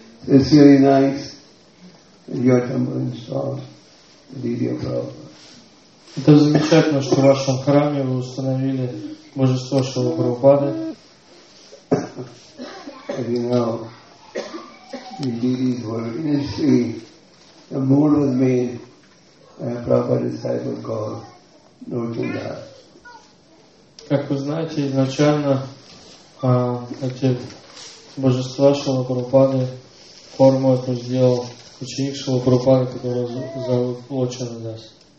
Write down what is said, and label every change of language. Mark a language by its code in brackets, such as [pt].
[en] It's really nice that your temple installed Divya Prabhupada. [ru] Это замечательно, что в вашем храме вы установили божество Шрилы Прабхупады. [en] You know, the deities were initially, the mood was made by a Prabhupada disciple called Nortundas. [ru] Как вы знаете, изначально эти божества Шрилы Прабхупады форму эту сделал ученик Шрилы Прабхупады, который зовут Лочана Дас.